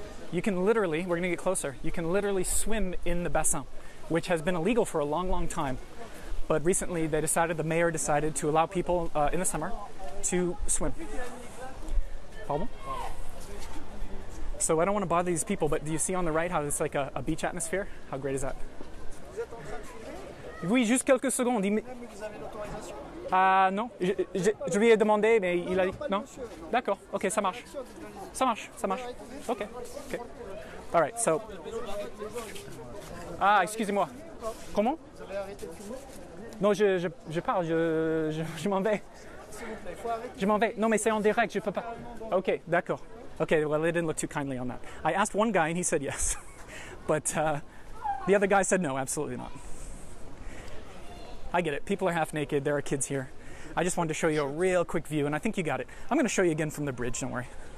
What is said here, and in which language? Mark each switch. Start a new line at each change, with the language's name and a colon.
English: You can literally, we're gonna get closer, you can literally swim in the bassin, which has been illegal for a long, long time. But recently the mayor decided to allow people in the summer to swim. Problem? So I don't wanna bother these people, but do you see on the right how it's like a beach atmosphere? How great is that?
French: Oui, juste quelques secondes. Vous avez l'autorisation? Ah, non. Je lui ai demandé, mais il a dit... Non? D'accord. Okay, ça marche. Ça marche, ça marche. Okay. Okay.
English: All right, so...
French: Ah, excusez-moi. Comment? Vous avez arrêté de fumer? Non, je parle, je m'en vais. S'il vous plaît, faut arrêter. Je m'en vais. Non, mais c'est en direct, je peux pas. Okay, d'accord.
English: Okay, well, they didn't look too kindly on that. I asked one guy, and he said yes. But the other guy said no, absolutely not. I get it. People are half naked. There are kids here. I just wanted to show you a real quick view, and I think you got it. I'm going to show you again from the bridge. Don't worry.